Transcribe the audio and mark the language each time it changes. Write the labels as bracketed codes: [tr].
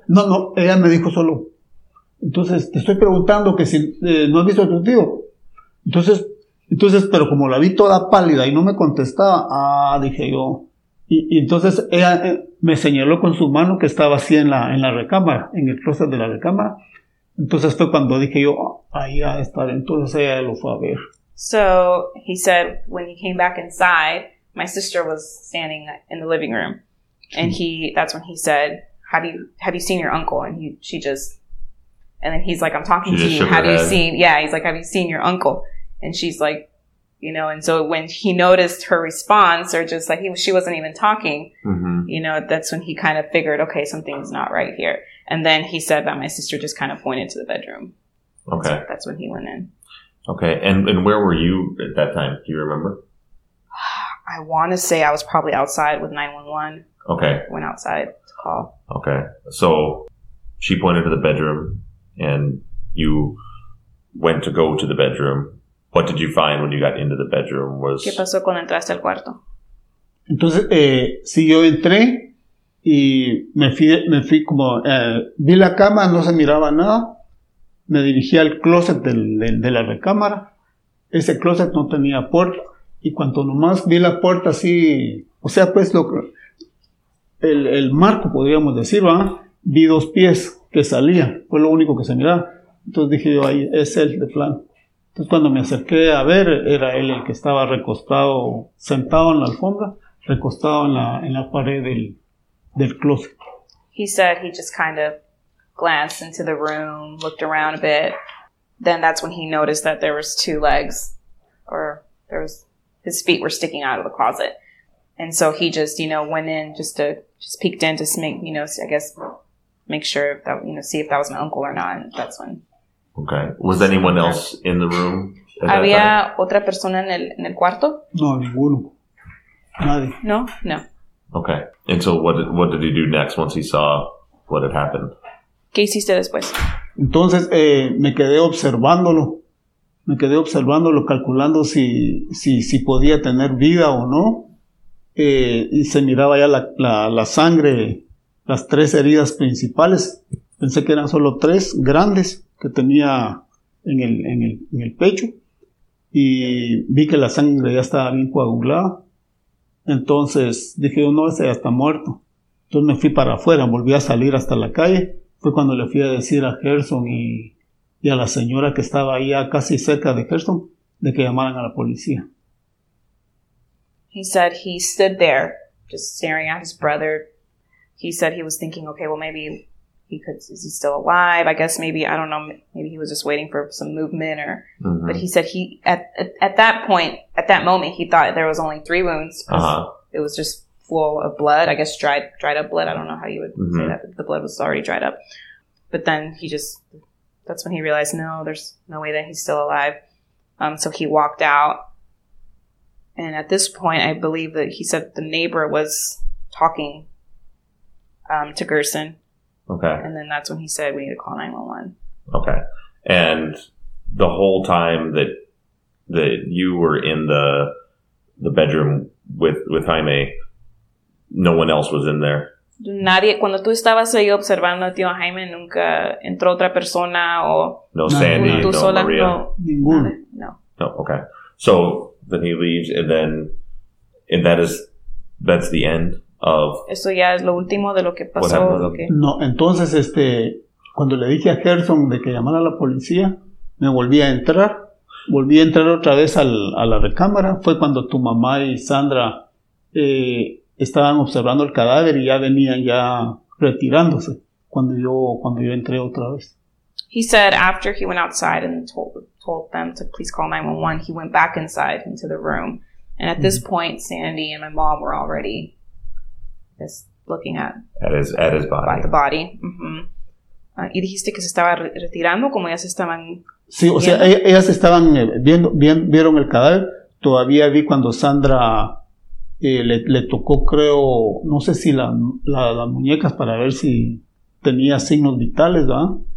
[es] No, ella me dijo solo. Entonces, te estoy preguntando que si no has visto a tu tío. Entonces, Entonces, pero como la vi toda pálida y no me contestaba, dije yo. Y entonces ella me señaló con su mano que estaba así en la recámara, en el closet de la recámara. Entonces fue cuando dije yo, ahí va a estar. Entonces ella lo fue a ver. [en] So he said when he came back inside, my sister was standing in the living room. And that's when he said, have you seen your uncle? And she just, and then he's like, I'm talking to you. He's like, have you seen your uncle? And she's like, you know, and so when he noticed her response or just like she wasn't even talking, mm-hmm. you know, that's when he kind of figured, okay, something's not right here. And then he said that my sister just kind of pointed to the bedroom. Okay. So that's when he went in. Okay. And where were you at that time? Do you remember? I want to say I was probably outside with 911. Okay. Went outside to call. Okay. So she pointed to the bedroom and you went to go to the bedroom. What did you find when you got into the bedroom? [es] ¿Qué pasó cuando entraste al cuarto? Entonces, sí, yo entré y me fui como, vi la cama, no se miraba nada. Me dirigí al closet de la recámara. Ese closet no tenía puerta. Y cuanto nomás vi la puerta así, o sea, pues el marco, podríamos decir, ¿verdad? Vi dos pies que salían. Fue lo único que se miraba. Entonces dije yo, ahí es él, de plano. Entonces cuando me acerqué a ver, era él el que estaba recostado, sentado en la alfombra, recostado en la pared del closet. [en] He said he just kind of glanced into the room, looked around a bit. Then that's when he noticed that there was two legs, or his feet were sticking out of the closet. And so he just, you know, went in just peeked in to make, you know, I guess make sure that, you know, see if that was my uncle or not. And that's when. Okay. Was anyone else in the room? [es] ¿Había otra persona en el cuarto? No, ninguno. Nadie. No? No. [en] Okay. And so what did he do next once he saw what had happened? [es] ¿Qué hiciste después? Entonces me quedé observándolo. Me quedé observándolo, calculando si podía tener vida o no. Y se miraba ya la sangre, las tres heridas principales. Pensé que eran solo tres grandes que tenía en el pecho. Y vi que la sangre ya estaba bien coagulada. Entonces dije, no, ese ya está muerto. Entonces me fui para afuera, volví a salir hasta la calle. Fue cuando le fui a decir a Gerson y a la señora que estaba ahí casi cerca de Gerson de que llamaran a la policía. [en] He said he stood there just staring at his brother. He said he was thinking, okay, well, maybe is he still alive? I guess maybe, I don't know, maybe he was just waiting for some movement or, mm-hmm. but he said at that moment, he thought there was only three wounds. Uh-huh. It was just full of blood, I guess dried up blood. I don't know how you would mm-hmm. say that. The blood was already dried up. But then he just, that's when he realized, no, there's no way that he's still alive. So he walked out. And at this point, I believe that he said the neighbor was talking to Gerson. Okay. And then that's when he said, we need to call 911. Okay. And the whole time that you were in the bedroom with Jaime, no one else was in there. [es] Nadie, cuando tú estabas ahí observando a tío Jaime, nunca entró otra persona o... No Sandy, no sola, Maria. No. [en] Okay. So then he leaves and that's the end of... [es] Eso ya es lo último de lo que pasó. No, entonces cuando le dije a Gerson de que llamara a la policía, me volví a entrar otra vez a la recámara. Fue cuando tu mamá y Sandra... estaban observando el cadáver y ya venían ya retirándose cuando yo entré otra vez. [en] He said after he went outside and told them to please call 911, he went back inside into the room. And at mm-hmm. this point, Sandy and my mom were already just looking at his body. At the body. Mm-hmm. [es] Y dijiste que se estaba retirando como ellas estaban... Sí, viendo. O sea, ellas estaban vieron el cadáver. Todavía vi cuando Sandra... le tocó, creo, no sé si las muñecas para ver si tenía signos vitales, ¿verdad?